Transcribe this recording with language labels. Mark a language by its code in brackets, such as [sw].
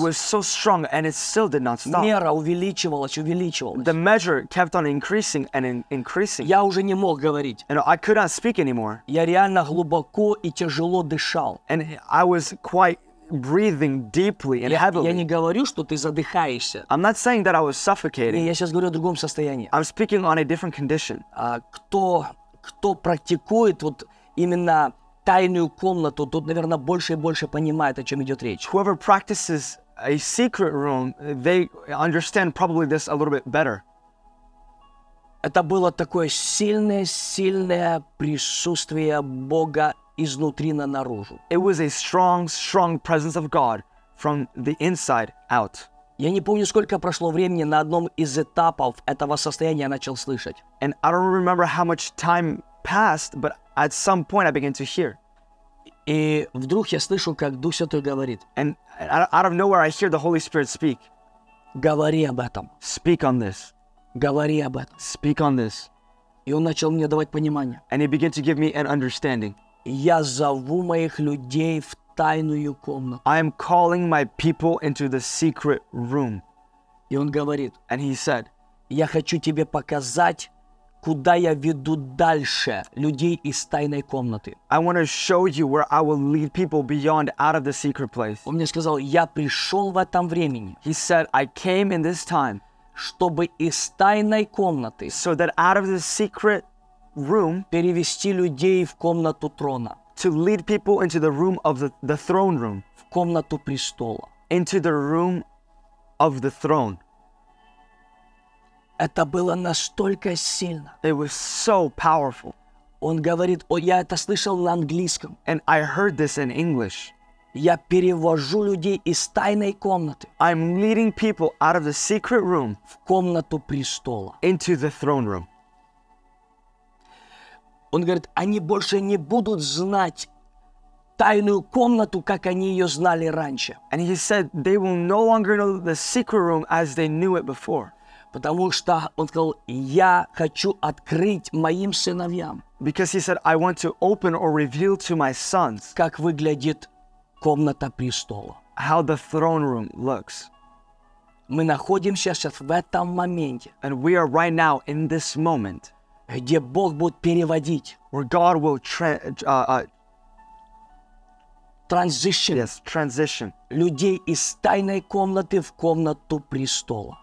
[en] It was so strong, and it still did not stop. [ru] Мера увеличивалась, увеличивалась. [en] The measure kept on increasing and increasing. [ru] Я уже не мог говорить. [en] And I could not speak anymore. [ru] Я реально глубоко и тяжело дышал. [en] And I was quite breathing deeply and heavily. [ru] Я не говорю, что ты задыхаешься. [en] I'm not saying that I was suffocating. [ru] Не, я сейчас говорю о другом состоянии. [en] I'm speaking on a different condition. [ru] Кто практикует вот именно тайную комнату, тот, наверное, больше и больше понимает, о чем идет речь. [en] Whoever practices a secret room, they understand probably this a little bit better. [ru] Это было такое сильное, сильное присутствие Бога изнутри на наружу. [en] It was a strong, strong presence of God from the inside out. [ru] Я не помню, сколько прошло времени, на одном из этапов этого состояния я начал слышать. [en] And I don't remember how much time passed, but at some point I began to hear. [ru] И вдруг я слышу, как Дух Святой говорит. [en] And out of nowhere I hear the Holy Spirit speak. [ru] Говори об этом. [en] Speak on this. [ru] Говори об этом. [en] Speak on this. [ru] И он начал мне давать понимание. [en] And he began to give me an understanding. [ru] Я зову моих людей в тайную комнату. [en] I am calling my people into the secret room. [ru] И он говорит. [en] And he said. [ru] Я хочу тебе показать, куда я веду дальше людей из тайной комнаты. [en] I want to show you where I will lead people beyond out of the secret place. [ru] Он мне сказал, я пришел в этом времени. [en] He said, I came in this time. [ru] Чтобы из тайной комнаты. [en] So that out of the secret room. [ru] Перевести людей в комнату трона. [en] To lead people into the room of the throne room. [ru] В комнату престола. [en] Into the room of the throne. [ru] Это было настолько сильно. [en] It was so powerful. [ru] Он говорит, о, я это слышал на английском. [en] And I heard this in English. [ru] Я перевожу людей из тайной комнаты. [en] I'm leading people out of the secret room. [ru] В комнату престола. [en] Into the throne room. [ru] Он говорит, они больше не будут знать тайную комнату, как они ее знали раньше. [en] And he said, they will no longer know the secret room as they knew it before. [ru] Потому что он сказал, я хочу открыть моим сыновьям. [en] Because he said, I want to open or reveal to my sons. [ru] Как выглядит комната престола. [en] How the throne room looks. [ru] Мы находимся сейчас в этом моменте. [en] And we are right now in this moment. [ru] Где Бог будет переводить. [en] Where God will transition. Yes, transition. [ru] Людей из тайной комнаты в комнату престола.